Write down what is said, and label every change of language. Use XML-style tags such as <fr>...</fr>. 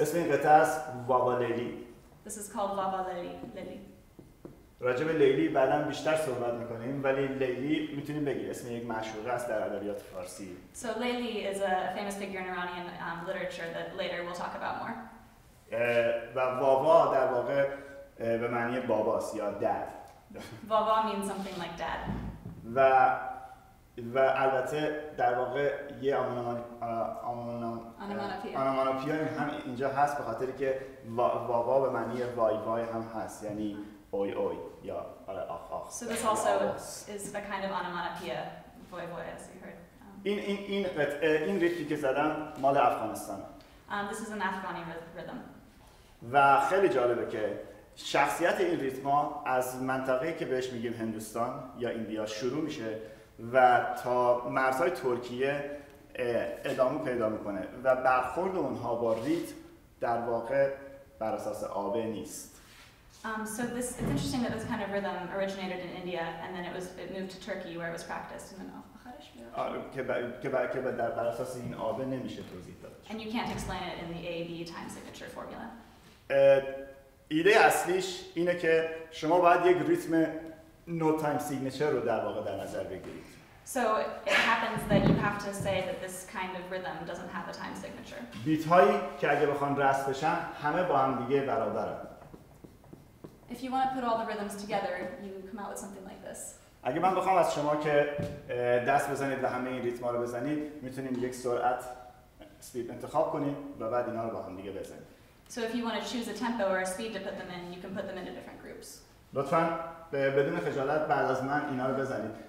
<fa>اسم این قطعه است وابا لیلی.</fa> <en>This is called وابا لیلی.</en> <fa>راجب لیلی بعدم بیشتر صحبت میکنیم ولی لیلی میتونیم بگیم اسم یک مشهوره است در ادبیات فارسی.</fa> <en>So Leili is a famous figure in Iranian literature that later we'll talk about more.</en> <fa>و وابا در واقع به معنی باباست یا dad.</fa> <en>وابا means something like dad.</en> <fa>و البته در واقع یه</fa> <en>آنومانوپیا</en> <fa>هم اینجا هست به خاطر که وابا به معنی وای وای هم هست یعنی اوی اوی یا آره آخ آخ.</fa> <en>So this also is a kind of onomatopoeia, voy voy, as you heard.</en> <fa>این ریتمی که زدم مال افغانستانه.</fa> <en>This is an Afghani rhythm.</en> <fa>و خیلی جالبه که شخصیت این ریتما از منطقه‌ای که بهش میگیم هندوستان یا ایندیا شروع میشه و تا مرزهای ترکیه ادامه پیدا میکنه و برخورد اونها با ریتم در واقع بر اساس آبه نیست.</fa> <en>So this is interesting that this kind of rhythm originated in India and then it moved to Turkey where it was practiced and then</en> <fa>آخرش میاد.</fa> <en>And you can't explain it in the AB time signature formula.</en> <fa>ایده اصلیش اینه که شما باید یک ریتم نو تایم سیگنچر رو در واقع در نظر بگیرید.</fa> <en>So it happens that you have to say that this kind of rhythm doesn't have a time signature.</en> <fa>بیت هایی که اگه بخوان رسم بشن همه با هم دیگه برابرن.</fa> <en>If you want to put all the rhythms together, you come out with something like this.</en> <fa>اگه من بخوام از شما که دست بزنید و همه این ریتم‌ها رو بزنید، میتونیم یک سرعت سپید انتخاب کنیم و بعد اینا رو با هم دیگه بزنیم.</fa> <en>So if you want to choose a tempo or a speed to put them in, you can put them into different groups.</en> <fa>لطفاً بدون خجالت بعد از من اینا رو بزنید.</fa>